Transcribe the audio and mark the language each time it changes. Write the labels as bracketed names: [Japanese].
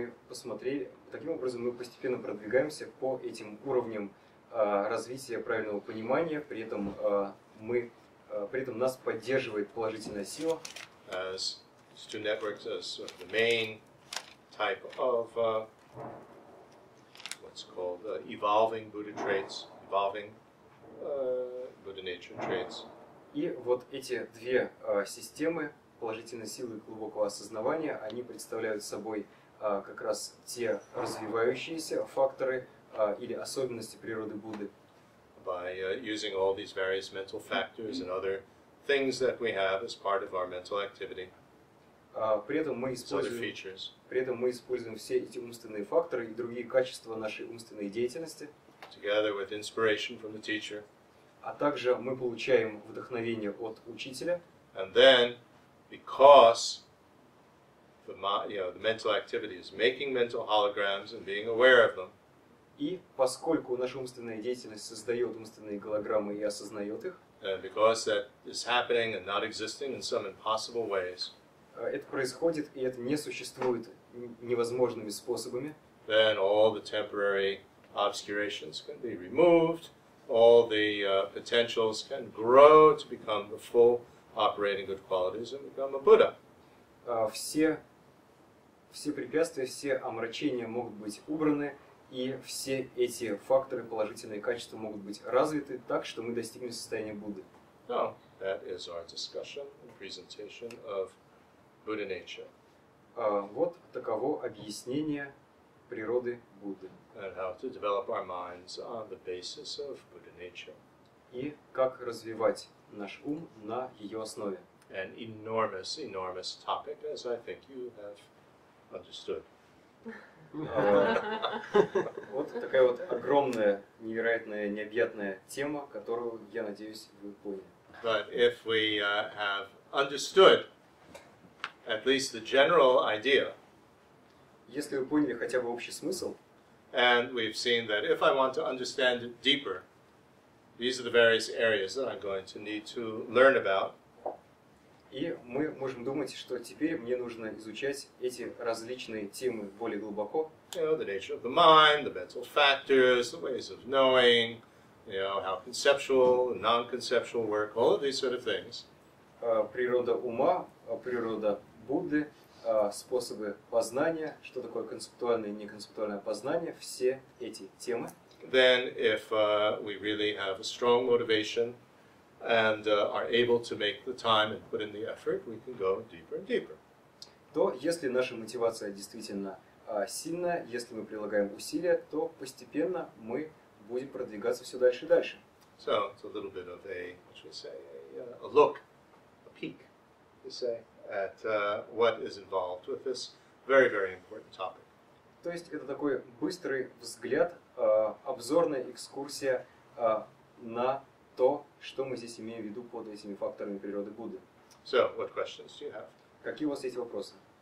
[Russian] Таким образом мы постепенно продвигаемся по этим уровням развития правильного понимания, при этом нас поддерживает положительная сила. [English] As these two networks as sort of the main type of it's called evolving Buddha traits, evolving Buddha nature traits. [Russian] И вот эти две системы положительной силы и глубокого осознавания, они представляют собой как раз те развивающиеся факторы или особенности природы Будды. [English] By using all these various mental factors and other things that we have as part of our mental activity. [Russian] При этом мы используем все эти умственные факторы и другие качества нашей умственной деятельности. [English] Together with inspiration from the teacher. [Russian] А также мы получаем вдохновение от учителя. [English] And then, because the mental activity is making mental holograms and being aware of them. [Russian] И поскольку наша умственная деятельность создает умственные голограммы и осознает их. [English] And because that is happening and not existing in some impossible ways. [Russian] Это происходит и это не существует невозможными способами. [English] Then all the temporary obscurations can be removed. All the potentials can grow to become the full operating good qualities and become a Buddha. [Russian] Все препятствия, все омрачения могут быть убраны, и все эти факторы, положительные качества могут быть развиты так, что мы достигнем состояния Будды. [English] So, that is our discussion and presentation of Buddha nature. [Russian] Вот таково объяснение природы Будды. [English] And how to develop our minds on the basis of Buddha nature. [Russian] И как развивать наш ум на ее основе. [English] An enormous, enormous topic, as I think you have understood. [Russian] Вот такая вот огромная, невероятная, необъятная тема, которую, я надеюсь, вы поняли. [English] But if we have understood at least the general idea, [Russian] если вы поняли хотя бы общий смысл, [English] and we've seen that if I want to understand it deeper, these are the various areas that I'm going to need to learn about. [Russian] И мы можем думать, что теперь мне нужно изучать эти различные темы более глубоко. [English] You know, the nature of the mind, the mental factors, the ways of knowing, you know, how conceptual and non-conceptual work, all of these sort of things. [Russian] Природа ума, природа Будды, способы познания, что такое концептуальное и неконцептуальное познание, все эти темы. [English] Then if we really have a strong motivation, and are able to make the time and put in the effort, we can go deeper and deeper. [Russian] То, если наша мотивация действительно сильная, если мы прилагаем усилия, то постепенно мы будем продвигаться все дальше и дальше. [English] So, it's a little bit of a, what should we say, a look, a peek, you say, at what is involved with this very, very important topic. [Russian] То есть, это такой быстрый взгляд, обзорная экскурсия на то, что мы здесь имеем в виду под этими факторами природы Будды. [English] So, what questions do you have? [Russian] Какие у вас есть вопросы?